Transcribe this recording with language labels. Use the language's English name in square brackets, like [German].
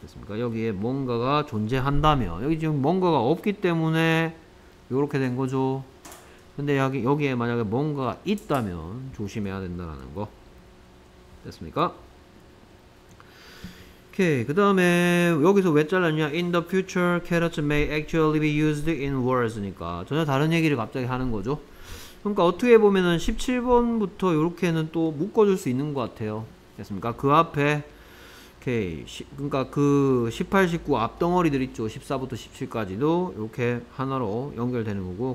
[Korean] 여기에 뭔가가 존재한다면 여기 지금 뭔가가 없기 때문에 요렇게 된 거죠. 근데 여기에 만약에 뭔가 있다면 조심해야 된다라는 거. 됐습니까? 오케이. 그 다음에 여기서 왜 잘랐냐. [English] In the future carrots may actually be used in wars. [Korean] 니까 전혀 다른 얘기를 갑자기 하는 거죠. 그러니까 어떻게 보면은 17번부터 요렇게는 또 묶어줄 수 있는 것 같아요. 됐습니까? 그 앞에 오케이. 그러니까 그 18, 19 앞덩어리들 있죠. 14부터 17까지도 이렇게 하나로 연결되는 거고.